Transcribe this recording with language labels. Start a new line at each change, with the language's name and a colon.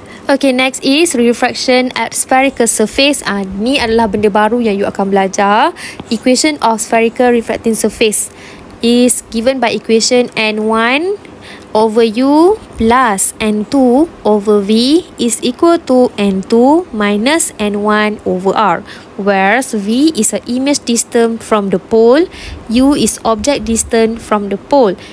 English: Okay, next is refraction at spherical surface.
Malay: Ni adalah benda baru yang you akan belajar.
English: Equation of spherical refracting surface is given by equation N1 over U plus N2 over V is equal to N2 minus N1 over R, whereas V is a image distance from the pole, U is object distance from the pole.